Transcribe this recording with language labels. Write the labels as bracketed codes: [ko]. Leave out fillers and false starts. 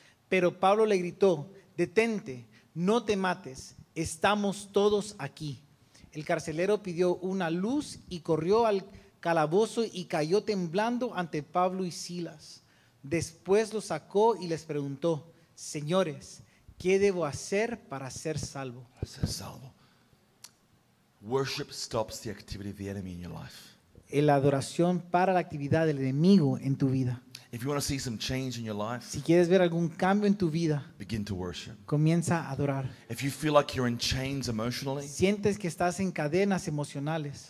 [es] Pero Pablo le gritó: "Detente, no te mates, estamos todos aquí". El carcelero pidió una luz y corrió al calabozo y cayó temblando ante Pablo y Silas. Después los sacó y les preguntó: "Señores, ¿qué debo hacer para ser salvo?". [en] Worship stops the activity of the enemy in your life. [es] La adoración para la actividad del enemigo en tu vida. [en] If you want to see some change in your life, [es] si quieres ver algún cambio en tu vida, [en] begin to worship. [es] Comienza a adorar. [en] If you feel like you're in chains emotionally, [es] sientes que estás en cadenas emocionales,